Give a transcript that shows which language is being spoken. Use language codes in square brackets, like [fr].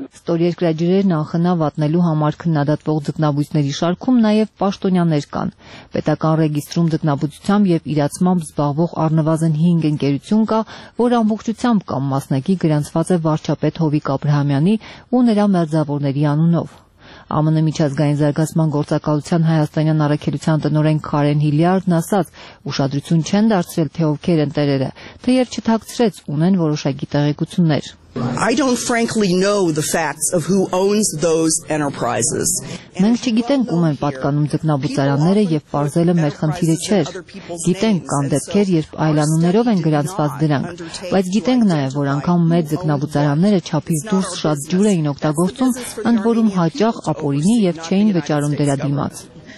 [hy] Ստոր երկրաջրերն անխնա վատնելու համար քննադատվող ձկնաբույսների շարքում նաեւ պաշտոնյաներ կան։ Պետական ռեգիստրում ձկնաբույսությամբ եւ իրացմամբ զբաղվող առնվազն 5 ընկերություն կա, որ ամբողջությամբ կամ մասնակի գրանցված է վարչապետ Հովիկ Աբրահամյանի ու նրա մերձավորների անունով։ ԱՄՆ միջազգային զարգացման գործակալության հայաստանյան առաքելության տնօրեն Քարեն Հիլիարդն ասաց, ուշադրություն չեն դարձրել թե ովքեր են տերերը, թեև չթաքցրեց ունեն որոշակի տեղեկություններ։ [en] I don't frankly know the facts of who owns those enterprises. [hy] Մենք չգիտենք ում են պատկանում ձկնաբուծարանները եւ պարզելը մեր խնդիրը չէ։ Գիտենք կան դեպքեր, երբ այլ անուններով են գրանցված դրանք, բայց գիտենք նաեւ, որ անգամ մեծ ձկնաբուծարանները չափից դուրս շատ ջուր էին օգտագործում, ընդ որում հաճախ ապօրինի եւ չէին վճարում դերադիմաց։